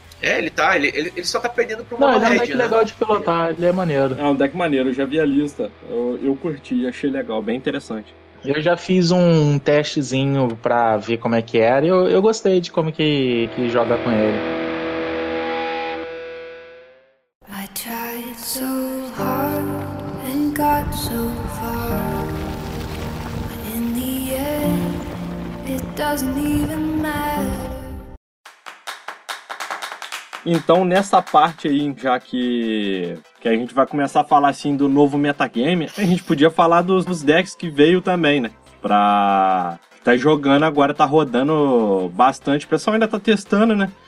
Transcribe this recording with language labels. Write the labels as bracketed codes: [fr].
[pt] É, ele só tá perdendo pro Mono Red, né? Não, ele é um deck legal de pilotar, ele é maneiro. É um deck maneiro, eu já vi a lista, eu curti, achei legal, bem interessante. Eu já fiz um testezinho pra ver como é que era, e eu gostei de como que joga com ele. [en] I tried so hard and got so far, but in the end, it doesn't even matter. [pt] Então, nessa parte aí, já que a gente vai começar a falar, assim, do novo metagame, a gente podia falar dos decks que veio também, né? Pra... Tá jogando agora, tá rodando bastante. O pessoal ainda tá testando, né?